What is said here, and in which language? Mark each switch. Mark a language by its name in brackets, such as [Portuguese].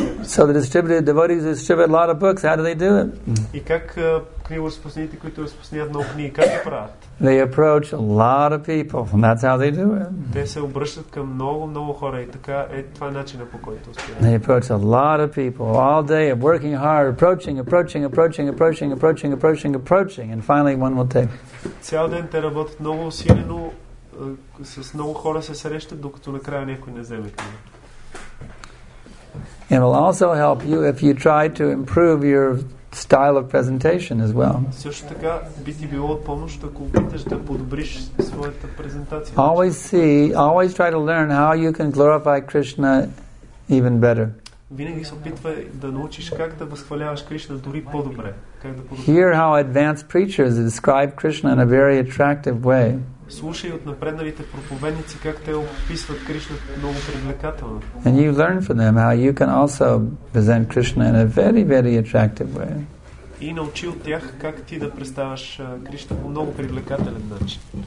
[English] So the distributed devotees distribute a lot of books. How do they do it? [Bulgarian] И как книги разпространители, които разпространяват много книги, как го правят? [English] They approach a lot of people, and that's how they do it. [Bulgarian] Те се обръщат към много, много хора и така е това начинът, по който успяват. [English] They approach a lot of people all day of working hard, approaching, and finally one will take. [Bulgarian] Цял ден те работят много усилено, с много хора се срещат, докато накрая някой не вземе книга. [English] It will also help you if you try to improve your style of presentation as well. [Bulgarian] Също така би ти било от помощ, ако опиташ да подобриш своята презентация. [English] Always try to learn how you can glorify Krishna even better. [Bulgarian] Винаги се опитвай да научиш как да възхваляваш Кришна дори по-добре. [English] Hear how advanced preachers describe Krishna in a very attractive way. [Bulgarian] Слушай от напредналите проповедници как те описват Кришна много привлекателно. [English] And you learn from them how you can also present Krishna in a very, very attractive way. [Bulgarian] И научи от тях как ти да представяш Кришна по много привлекателен начин.